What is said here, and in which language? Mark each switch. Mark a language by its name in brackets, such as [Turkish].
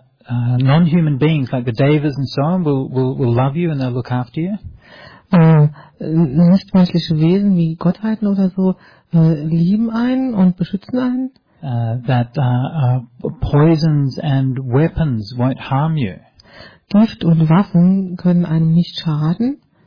[English] Non-human beings like the devas and so on will love you and they'll look after you. [German] Nichtmenschliche Wesen wie Gottheiten oder so lieben einen und beschützen einen. [English] That poisons and weapons won't harm you. [German] Gift und Waffen können einem nicht schaden.